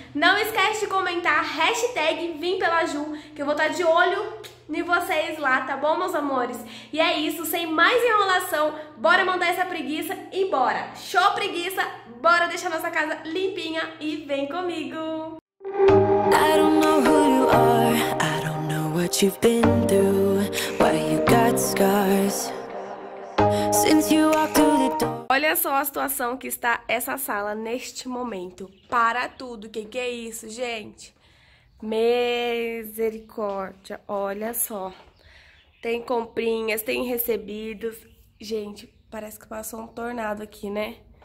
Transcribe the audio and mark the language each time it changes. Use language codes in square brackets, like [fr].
[pt] Não esquece de comentar a hashtag Vim Pela Ju, que eu vou estar de olho e vocês lá, tá bom, meus amores? E é isso, sem mais enrolação, bora mandar essa preguiça e bora! Show preguiça, bora deixar nossa casa limpinha e vem comigo! [en] I don't know who you are, I don't know what you've been through, why you got scars. Since you walked through the door. [pt] Olha só a situação que está essa sala neste momento. Para tudo, que é isso, gente? Misericórdia, olha só, tem comprinhas, tem recebidos, gente, parece que passou um tornado aqui, né?